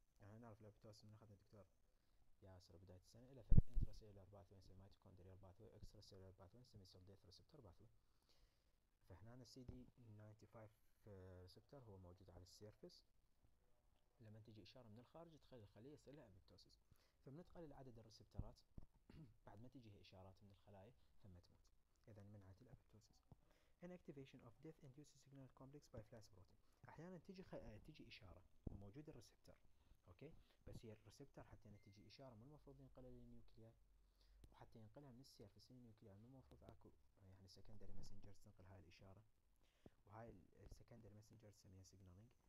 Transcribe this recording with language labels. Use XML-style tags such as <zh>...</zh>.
<ar>يعني نعرف الابيبتوسس من اخذنا الدكتور ياسر بداية السنة الى في انترا سيلولار باث واي نسميه ميتوكوندريال باث واي، اكسترا سيلولار باث واي نسميه سيل ديث ريسبتر باث واي. فهنا السي دي 95 ريسبتر هو موجود على السيرفس، لما تجي اشاره من الخارج تخلي الخليه يصير لها ابيبتوسس. فبنتقل لعدد الريسبترات بعد ما تجيها إشارات من الخلايا ثم تموت. إذن منعت الأبوبتوسيس.</ar> <en>An activation of death induced signal complex by flash protein.</en> <ar>أحيانا تجي تجي إشارة وموجود الريسبتر، أوكي، بس هي الريسبتر حتى تجي إشارة مو المفروض ينقلها للنيوكليار، وحتى ينقلها من السيرفس للنيوكليار مو المفروض أكو يعني سكندري مسنجرز تنقل هاي الإشارة، وهاي السكندري مسنجرز تسميها سيجنالينج.</ar>